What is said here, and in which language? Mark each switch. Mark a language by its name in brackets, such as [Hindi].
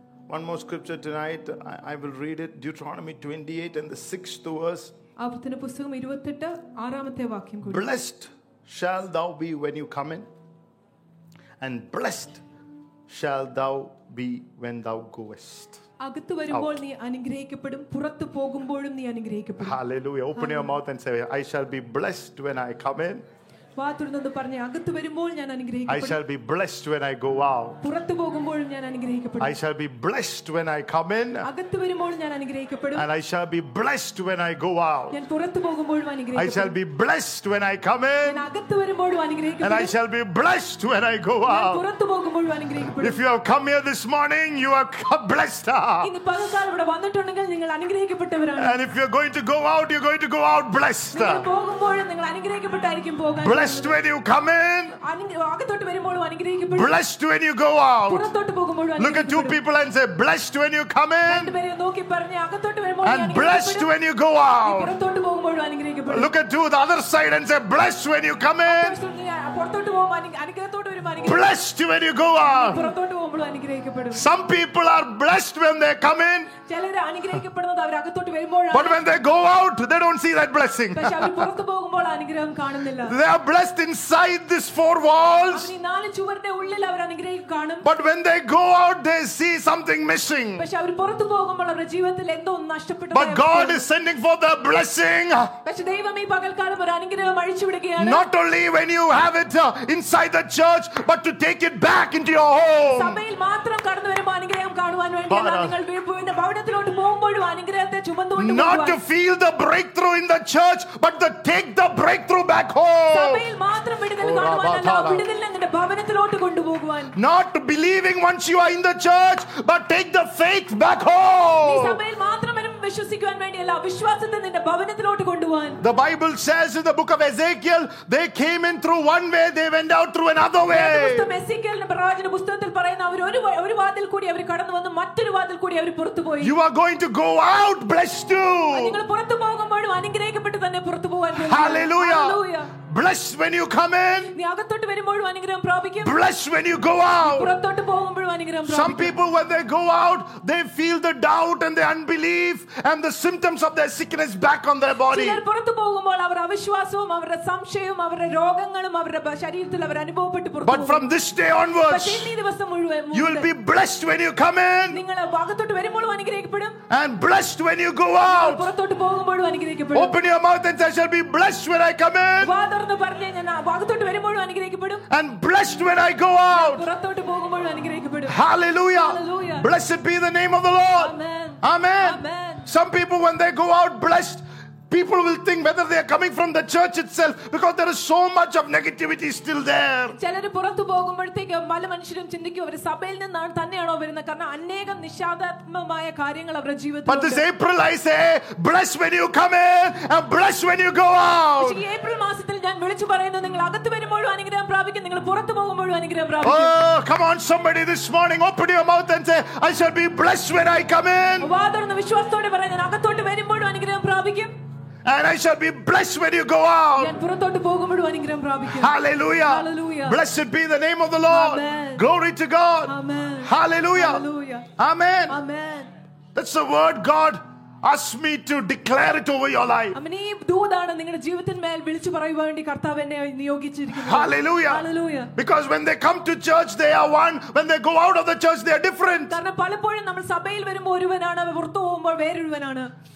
[English] One more scripture tonight. I will read it. Deuteronomy 28 and the 6th verse. [Malayalam] ആപത്തിന്റെ പുസ്തകം 28 ആറാമത്തെ വാക്യം കൂടി. [English] Blessed shall thou be when you come in, and blessed shall thou be when thou goest. [Malayalam] അകത്തു വരുമ്പോൾ നീ അനുഗ്രഹിക്കപ്പെടും, പുറത്തു പോകുമ്പോഴും നീ അനുഗ്രഹിക്കപ്പെടും. [English] Hallelujah. Open your mouth and say, I shall be blessed when I come in. [Malayalam] വാ തുറന്നു പറഞ്ഞു, അകത്തു വരുമ്പോൾ ഞാൻ അനുഗ്രഹിക്കപ്പെടും. [English] I shall be blessed when I go out. [Malayalam] പുറത്തു പോകുമ്പോഴും ഞാൻ അനുഗ്രഹിക്കപ്പെടും. [English] I shall be blessed when I come in. [Malayalam] അകത്തു വരുമ്പോൾ ഞാൻ അനുഗ്രഹിക്കപ്പെടും. [English] And I shall be blessed when I go out. [Malayalam] ഞാൻ പുറത്തു പോകുമ്പോഴും അനുഗ്രഹിക്കപ്പെടും. [English] I shall be blessed when I come in. [Malayalam] ഞാൻ അകത്തു വരുമ്പോഴും അനുഗ്രഹിക്കപ്പെടും. [English] And I shall be blessed when I go out. [Malayalam] ഞാൻ പുറത്തു പോകുമ്പോഴും അനുഗ്രഹിക്കപ്പെടും. [English] If you have come here this morning, you are blessed. [Malayalam] ഇന്ന് പകൽക്കാലം ഇവിടെ വന്നിട്ടുണ്ടെങ്കിൽ നിങ്ങൾ അനുഗ്രഹിക്കപ്പെട്ടവരാണ്. [English] And if you are going to go out, you are going to go out blessed. [Malayalam] നിങ്ങൾ പോകുമ്പോഴും നിങ്ങൾ അനുഗ്രഹിക്കപ്പെട്ടായിരിക്കും പോകുന്നത്. [English] Blessed when you come in. [Malayalam] അകത്തോട്ട് വരുമ്പോഴും അനുഗ്രഹിക്കപ്പെടും. [English] Blessed when you go out. [Malayalam] പുറത്തോട്ട് പോകുമ്പോഴും. [English] Look at two people and say, blessed when you come in. [Malayalam] രണ്ട് പേരെ നോക്കി പറഞ്ഞു, അകത്തോട്ട് വരുമ്പോഴും അനുഗ്രഹിക്കപ്പെടും. [English] And blessed when you go out. [Malayalam] പുറത്തോട്ട് പോകുമ്പോഴും അനുഗ്രഹിക്കപ്പെടും. [English] Look at two the other side and say, blessed when you come in. [Malayalam] പുറത്തോട്ട് പോകുമ്പോഴും അനുഗ്രഹത്തോട്ട് വരുമ്പോഴും. [English] Blessed when you go out. [Malayalam] പുറത്തോട്ട് പോകുമ്പോഴും അനുഗ്രഹിക്കപ്പെടും. [English] Some people are blessed when they come in. [Malayalam] ചിലരെ അനുഗ്രഹിക്കപ്പെടുന്നത് അവർ അകത്തോട്ട് വരുമ്പോഴാണ്. [English] But when they go out, they don't see that blessing. [Malayalam] പക്ഷേ അവർ പുറത്തു പോകുമ്പോൾ അനുഗ്രഹം കാണുന്നില്ല. [English] They are blessed inside these four walls. [Malayalam] അവരി നാല് ചുവരുടെ ഉള്ളിൽ അവർ അനുഗ്രഹം കാണും. [English] But when they go out, they see something missing. [Malayalam] പക്ഷേ അവർ പുറത്തു പോകുമ്പോൾ അവരുടെ ജീവിതത്തിൽ എന്തോ നഷ്ടപ്പെട്ടു. [English] But God is sending for the blessing. [Malayalam] പക്ഷേ ദൈവം ഈ പകൽക്കാലം ഒരു അനുഗ്രഹം അഴിച്ചുവിടുകയാണ്. [English] Not only when you have it inside the church, but to take it back into your home. [Malayalam] സഭയിൽ മാത്രം കടന്നു വരുമ്പോൾ അനുഗ്രഹം കാണുവാൻ വേണ്ടി നിങ്ങൾ വീടിന്റെ പൗരത്വത്തിലോട്ട് പോകുമ്പോഴും അനുഗ്രഹത്തെ ചുമന്നുകൊണ്ട് പോകുക. [English] Not to feel the breakthrough in the church, but to take the breakthrough back home. [Malayalam] സഭയിൽ മാത്രം വിടുതൽ കാണുവാനല്ല, വിടുതലിന്റെ ഭവനത്തിലോട്ട് കൊണ്ടുപോകുവാൻ. [English] Not believing once you are in the church, but take the faith back home. [Malayalam] സഭയിൽ മാത്രം വിശ്വസിക്കുവാൻ വേണ്ടിയല്ല, വിശ്വാസത്തെ നിന്റെ ഭവനത്തിലോട്ട് കൊണ്ടുപോകാൻ. [English] The Bible says in the book of Ezekiel, they came in through one way, they went out through another way. [Malayalam] പുസ്തകം എസേക്കിയേലിന്റെ പ്രവാചന പുസ്തകത്തിൽ പറയുന്ന അവർ ഒരു വാതിൽ കൂടി അവർ കടന്നു വന്ന് മറ്റൊരു വാതിൽ കൂടി അവർ പുറത്തു പോയി. [English] You are going to go out blessed too. [Malayalam] നിങ്ങൾ പുറത്തു പോകുമ്പോഴും അനുഗ്രഹിക്കപ്പെട്ടു തന്നെ പുറത്തു പോകാൻ. [English] Hallelujah. Blessed when you come in. [Malayalam] നീ അകത്തോട്ട് വരുമ്പോഴും അനുഗ്രഹം പ്രാപിക്കും. [English] Blessed when you go out. [Malayalam] പുറത്തോട്ട് പോകുമ്പോഴും അനുഗ്രഹം പ്രാപിക്കും. [English] Some people when they go out, they feel the doubt and the unbelief and the symptoms of their sickness back on their body. [Malayalam] ചിലർ പുറത്തു പോകുമ്പോൾ അവർ അവിശ്വാസവും അവരുടെ സംശയവും അവരുടെ രോഗങ്ങളും അവരുടെ ശരീരത്തിൽ അവർ അനുഭവപ്പെട്ടു പുറത്തു പോകും. [English] But from this day onwards. [Malayalam] പക്ഷേ ഈ ദിവസം മുഴുവൻ. [English] You will be blessed when you come in. [Malayalam] നിങ്ങൾ അകത്തോട്ട് വരുമ്പോഴും അനുഗ്രഹിക്കപ്പെടും. [English] And blessed when you go out. [Malayalam] പുറത്തോട്ട് പോകുമ്പോഴും അനുഗ്രഹിക്കപ്പെടും. [English] Open your mouth and say, I shall be blessed when I come in. [Malayalam] തുറന്നു പറഞ്ഞു, ഞാൻ അകത്തോട്ട് വരുമ്പോഴും അനുഗ്രഹിക്കപ്പെടും. [English] And blessed when I go out. [Malayalam] പുറത്തോട്ട് പോകുമ്പോഴും അനുഗ്രഹിക്കപ്പെടും. [English] Hallelujah. Blessed be the name of the Lord. Amen. Some people when they go out blessed, people will think whether they are coming from the church itself because there is so much of negativity still there. [Malayalam] ചിലര് പുറത്തു പോകുമ്പോഴേക്ക് പല മനുഷ്യരും ചിന്തിക്കും ഒരു സഭയിൽ നിന്നാണ് തന്നെയാണോ വരുന്നത്, കാരണം അനേകം നിഷാദാത്മകമായ കാര്യങ്ങൾ അവരുടെ ജീവിതത്തിൽ. [English] But this April I say, blessed when you come in and blessed when you go out. [Malayalam] ഈ April മാസത്തിൽ ഞാൻ വിളിച്ചു പറയുന്നു, നിങ്ങൾ അകത്തു വരുമ്പോഴും അനുഗ്രഹം പ്രാപിക്കും, നിങ്ങൾ പുറത്തു പോകുമ്പോഴും അനുഗ്രഹം പ്രാപിക്കും. [English] Oh, come on somebody this morning, open your mouth and say, I shall be blessed when I come in. [Malayalam] വാദരന്ന് വിശ്വാസത്തോടെ പറയുന്ന, ഞാൻ അകത്തോട്ട് വരുമ്പോഴും അനുഗ്രഹം പ്രാപിക്കും. [English] And I shall be blessed when you go out. [Malayalam] ഞാൻ പുറത്തോട്ട് പോകുമ്പോഴും അനുഗ്രഹം പ്രാപിക്കും. [English] Hallelujah. Hallelujah. Blessed be the name of the Lord. Amen. Glory to God. Amen. Hallelujah. Hallelujah. Amen. Amen. That's the word God asked me to declare it over your life. [Malayalam] അമ്മേ, ഈ ദൂതാണ് നിങ്ങളുടെ ജീവിതത്തിന്റെ മേൽ വിളിച്ചു പറയുവാൻ വേണ്ടി കർത്താവ് എന്നെ നിയോഗിച്ചിരിക്കുന്നു. [English] Hallelujah. Hallelujah. Because when they come to church they are one, when they go out of the church they are different. [Malayalam] കാരണം പലപ്പോഴും നമ്മൾ സഭയിൽ വരുമ്പോൾ ഒരുവനാണ്, പുറത്തു പോകുമ്പോൾ വേറൊരുവനാണ്.